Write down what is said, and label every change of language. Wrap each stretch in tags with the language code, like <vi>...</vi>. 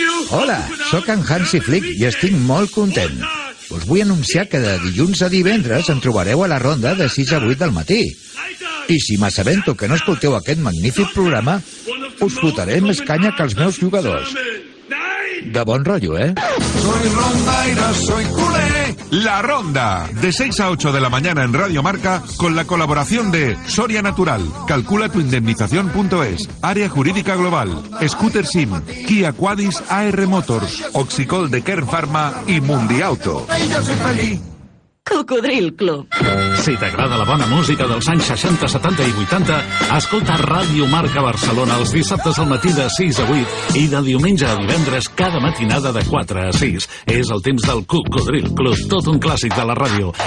<ca>Hola, sóc en Hansi Flick i estic molt content. Us vull anunciar que de dilluns a divendres em trobareu a la ronda de 6 a 8 del matí. I si m'assabento que no escolteu aquest magnífic programa, us fotaré més canya que els meus jugadors. De bon rotllo, eh?</ca> <es>Soy ronda y no soy culé. La ronda, de 6 a 8 de la mañana en Radio Marca, con la colaboración de Soria Natural, calculatuindemnización.es, Área Jurídica Global, Scooter Sim, Kia Quadis AR Motors, Oxicol de Kern Pharma y Mundiauto. Cocodril Club.</es> <ca>Si t'agrada la bona música dels anys 60, 70 i 80, escolta Ràdio Marca Barcelona els dissabtes al matí de 6 a 8 i de diumenge a divendres cada matinada de 4 a 6. És el temps del Cocodril Club, tot un clàssic de la ràdio.</ca>